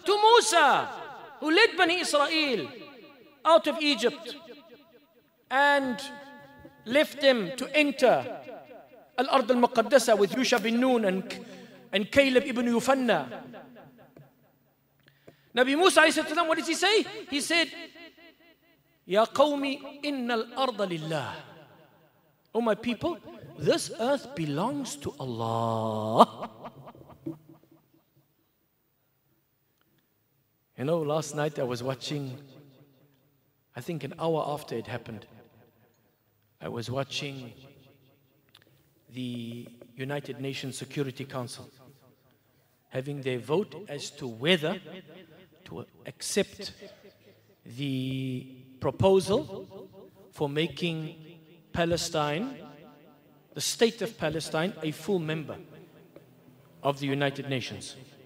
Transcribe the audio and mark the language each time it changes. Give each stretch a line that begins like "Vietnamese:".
English: To Musa, who led Bani Israel out of Egypt and left them to enter Al-Ard Al-Muqaddasa with Yusha bin Nun and Caleb ibn Yufanna. Nabi Musa, he said to them, what did he say? He said,
Arabic: يَا قَوْمِ إِنَّ الْأَرْضَ لِلَّهِ.
English: Oh, my people, this earth belongs to Allah. You know, last night I was watching, I think an hour after it happened, I was watching the United Nations Security Council having their vote as to whether to accept the proposal for making Palestine, the state of Palestine, a full member of the United Nations.